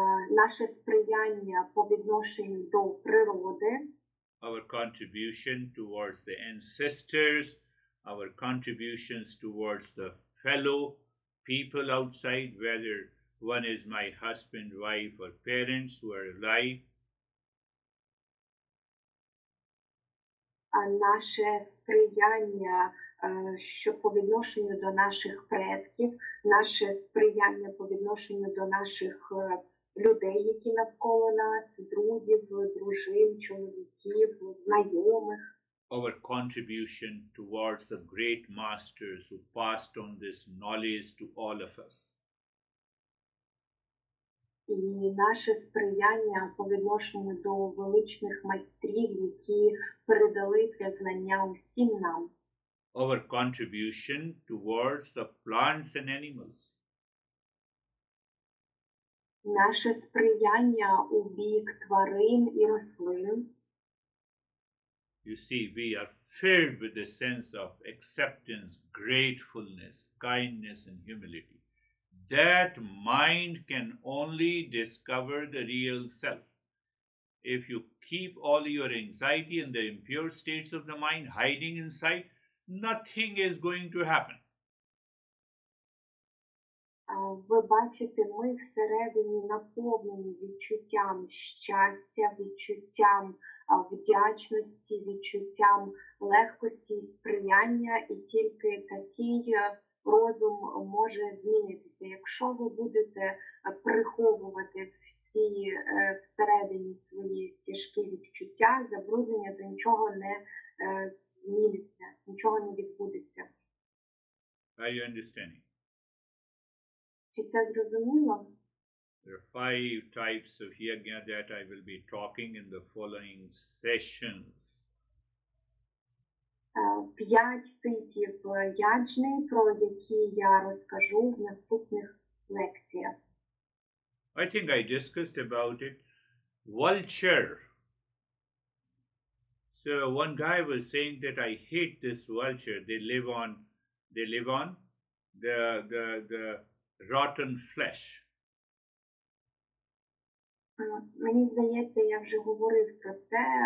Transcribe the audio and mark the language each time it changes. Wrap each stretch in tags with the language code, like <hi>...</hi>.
<uk>Наше сприяння по відношенню до природи.</uk> <en>Our contribution towards the ancestors, our contributions towards the fellow people outside, whether one is my husband, wife, or parents who are alive.</en> <uk>Наше сприяння що по відношенню до наших предків, наше сприяння по відношенню до наших людей, які навколо нас, друзів, дружин, чоловіків, знайомих.</uk> <en>Our contribution towards the great masters who passed on this knowledge to all of us.</en> <uk>І наше сприяння по відношенню до величних майстрів, які передали це знання усім нам.</uk> <en>Our contribution towards the plants and animals.</en> <uk>Наше сприяння у бік тварин і рослин.</uk> <en>You see, we are filled with a sense of acceptance, gratefulness, kindness and humility. That mind can only discover the real self. If you keep all your anxiety and the impure states of the mind hiding inside, nothing is going to happen.</en> <uk>Ви бачите, ми всередині наповнені відчуттям щастя, відчуттям вдячності, відчуттям легкості і сприяння, і тільки такий розум може змінитися. Якщо ви будете приховувати всі всередині свої тяжкі відчуття, забруднення, то нічого не зміниться, нічого не відбудеться.</uk> <en>Are you understanding?</en> <uk>Чи це зрозуміло?</uk> <en>There are five types of yajna that I will be talking in the following sessions.</en> <uk>П'ять типів яджни, про які я розкажу в наступних лекціях.</uk> <en>I think I discussed about it. Vulture. So one guy was saying that I hate this vulture. They live on the rotten flesh.</en> <uk>Мені здається, я вже говорив про це.</uk>